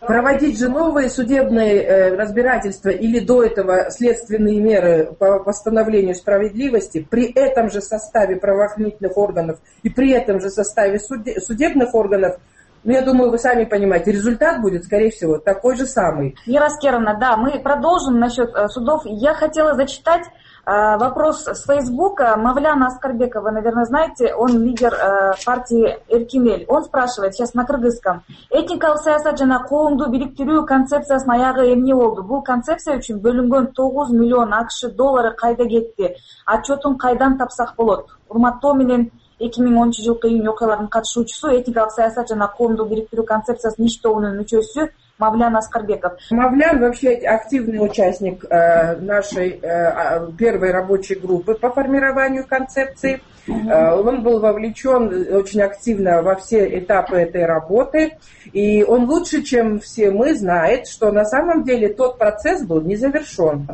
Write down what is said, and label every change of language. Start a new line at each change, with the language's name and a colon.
Russian: Проводить же новые судебные разбирательства или до этого следственные меры по восстановлению справедливости при этом же составе правоохранительных органов и при этом же составе судебных органов, ну, я думаю, вы сами понимаете, результат будет, скорее всего, такой же самый. Вера Аскеровна, да, мы продолжим насчет судов. Я хотела зачитать вопрос с Фейсбука. Мавляна Аскарбекова, вы, наверное, знаете, он лидер партии Эркинель. Он спрашивает сейчас на кыргызском.
Kyrgyz: Этникалык саясатчына коомду бириктирүү концепциясынын аягы эмне болду? Бул концепция үчүн бөлүнгөн 9 миллион АКШ доллары кайда кетти? Отчетун кайдан тапсак болот? Урматтоо менен 2010 жылкы июнь окуяларынын катышуучусу, этникалык саясат жана коомдук бириктирүү концепциясынын иш тобунун мүчөсү Мавлян Аскарбеков.
Russian: Мавлян вообще активный участник нашей первой рабочей группы по формированию концепции. Он был вовлечен очень активно во все этапы этой работы. И он лучше, чем все мы, знает, что на самом деле тот процесс был не завершен.